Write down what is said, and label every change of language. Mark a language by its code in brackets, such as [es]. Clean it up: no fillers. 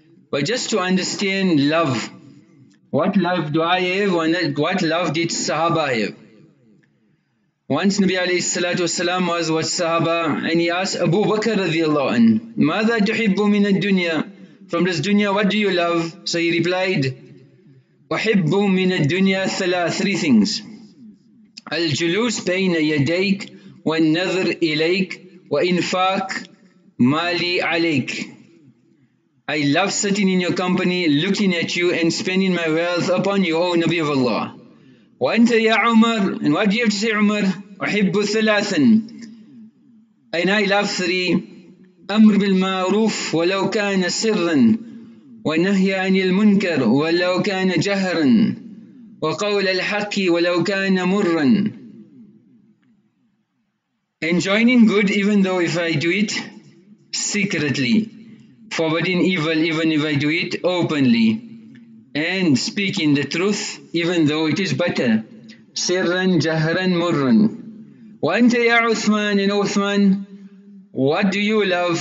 [en] But just to understand love, what love do I have and what love did Sahaba have? Once Nabi alayhi salatu wasalam was with Sahaba and he asked Abu Bakr radiallahu anhu, [ar] ماذا تحب من الدنيا? [en] From this dunya, what do you love? So he replied, [ar] أحب من الدنيا [en] three things. [ar] الجلوس بين يديك والنظر إليك وإنفاق مالي عليك. [en] I love sitting in your company, looking at you and spending my wealth upon you, O Nabi of Allah. [ar] وأنت يا عمر, [en] and what do you have to say, Omar? [ar] أحب ثلاثا, [en] and I love three. [ar] أمر بالمعروف ولو كان سرا ونهي عن المنكر ولو كان جهرا وقول الحق ولو كان مرا. [en] Enjoining good even though if I do it secretly, forbidding evil even if I do it openly, and speaking the truth even though it is bitter. [ar] Sirran, jahran, murran. Wa anta ya Uthman, [en] and Uthman, what do you love?